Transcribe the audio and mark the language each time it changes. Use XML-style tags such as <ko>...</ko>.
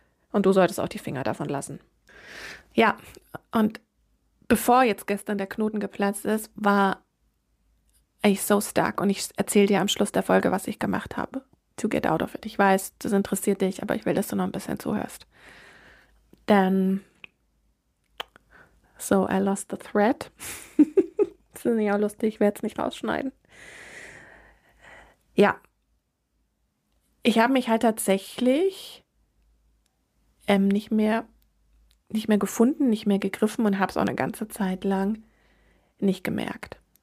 <de>Und du solltest auch die Finger davon lassen. Ja, und bevor jetzt gestern der Knoten geplatzt ist, war ich so stark. Und ich erzähle dir am Schluss der Folge, was ich gemacht habe.</de> <en>To get out of it.</en> <de>Ich weiß, das interessiert dich, aber ich will, dass du noch ein bisschen zuhörst. Denn so,</de> <en>I lost the thread.</en> <de>Das ist ja lustig, ich werde es nicht rausschneiden. Ja. Ich habe mich halt tatsächlich nicht mehr gefunden, nicht mehr gegriffen und habe es auch eine ganze Zeit lang nicht gemerkt.</de>